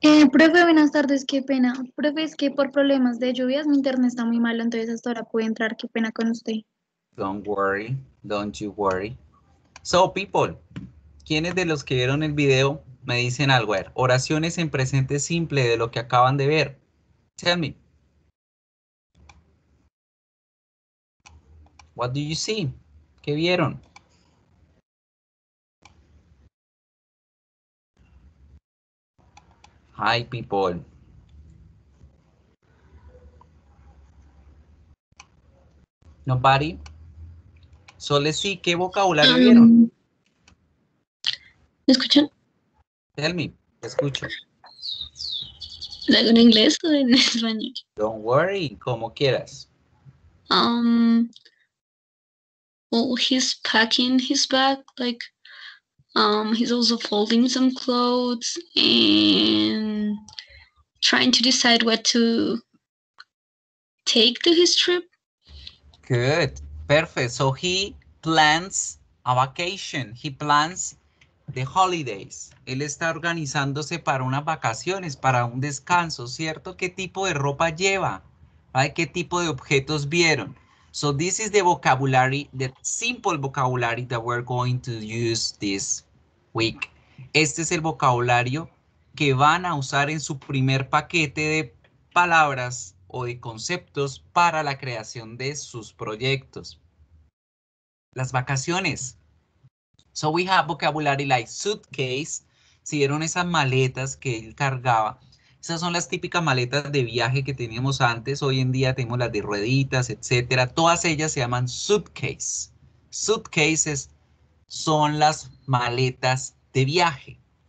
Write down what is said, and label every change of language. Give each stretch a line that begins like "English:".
Spanish: Profe, buenas tardes, qué pena. Profe, es que por problemas de lluvias mi internet está muy malo, entonces hasta ahora puede entrar, qué pena con usted.
English: Don't worry, don't you worry. So, people,
Spanish: ¿quiénes de los que vieron el video me dicen algo? Oraciones en presente simple de lo que acaban de ver.
English: Tell me. What do you see?
Spanish: ¿Qué vieron?
English: Hi, people. Nobody. So let's see,
Spanish: ¿qué vocabulario vieron? ¿Me escuchan?
English: Tell me,
Spanish: te escucho. ¿Lo hago en inglés o en español?
English: Don't worry,
Spanish: como quieras.
English: Well, he's packing his bag, like, he's also folding some clothes and trying to decide what to take to his trip. Good, perfect. So he plans a vacation. He plans the holidays.
Spanish: Él está organizándose para unas vacaciones, para un descanso, ¿cierto? ¿Qué tipo de ropa lleva? ¿Vale? ¿Qué tipo de objetos vieron?
English: So this is the vocabulary, the simple vocabulary that we're going to use this week.
Spanish: Este es el vocabulario que van a usar en su primer paquete de palabras o de conceptos para la creación de sus proyectos. Las vacaciones.
English: So we have vocabulary like suitcase.
Spanish: Si vieron esas maletas que él cargaba. Esas son las típicas maletas de viaje que teníamos antes. Hoy en día tenemos las de rueditas, etcétera. Todas ellas se llaman suitcase. Suitcases son las maletas de viaje.